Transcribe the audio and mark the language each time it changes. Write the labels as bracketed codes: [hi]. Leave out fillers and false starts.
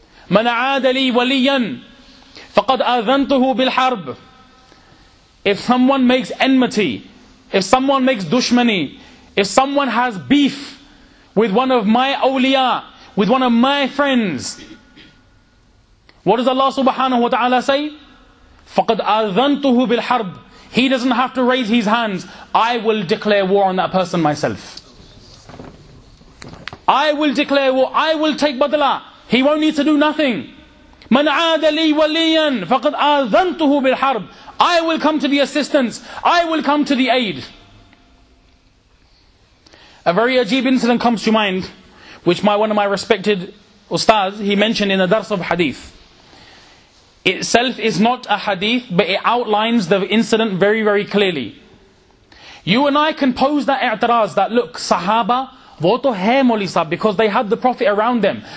[ar] مَنْ عَادَ لِي وَلِيًّا فَقَدْ أَذَنْتُهُ بِالْحَرْبِ [en] If someone makes enmity, if someone makes dushmani, if someone has beef with one of my awliya, with one of my friends, what does Allah subhanahu wa ta'ala say? [ar] فَقَدْ أَذَنْتُهُ بِالْحَرْبِ [en] He doesn't have to raise his hands. I will declare war on that person myself. I will declare war. I will take badla. He won't need to do nothing. [ar] مَنْ عَادَ لِي وَلِيًّا فَقَدْ أَذَنْتُهُ بِالْحَرْبِ [en] I will come to the assistance. I will come to the aid. A very ajeeb incident comes to mind, which one of my respected ustaz, he mentioned in the dars of hadith. Itself is not a hadith, but it outlines the incident very, very clearly. You and I can pose that i'tiraz, that look, sahaba, [ur] wo to hai mauli sahab, [en] because they had the Prophet around them.